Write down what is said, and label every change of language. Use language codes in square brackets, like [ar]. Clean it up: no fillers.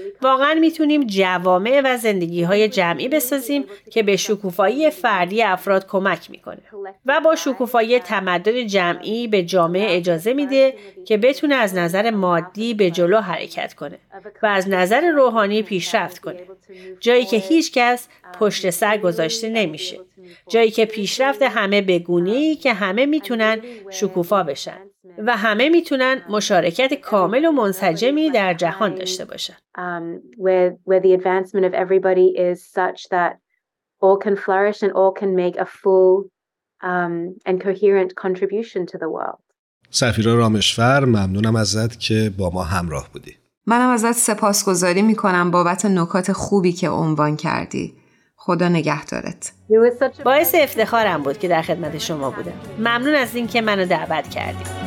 [fa] واقعا میتونیم جوامع و زندگی‌های جمعی بسازیم که به شکوفایی فردی افراد کمک میکنه و با شکوفایی تمدن جمعی به جامعه اجازه میده که بتونه از نظر مادی به جلو حرکت کنه و از نظر روحانی پیشرفت کنه. جایی که هیچ کس پشت سر گذاشته نمیشه. جایی که پیشرفت همه به گونه‌ای که همه میتونن شکوفا بشن و همه میتونن مشارکت کامل و منسجمی در جهان داشته باشن. [en] Where the advancement of everybody is such that all can flourish and all can make a full and coherent contribution to the world. [fa] سفیرا رامشفر، ممنونم ازت که با ما همراه بودی. منم ازت سپاسگزاری میکنم بابت نکات خوبی که عنوان کردی. خدا نگهدارت. باعث افتخارم بود که در خدمت شما بودم. ممنون از این که منو دعوت کردی.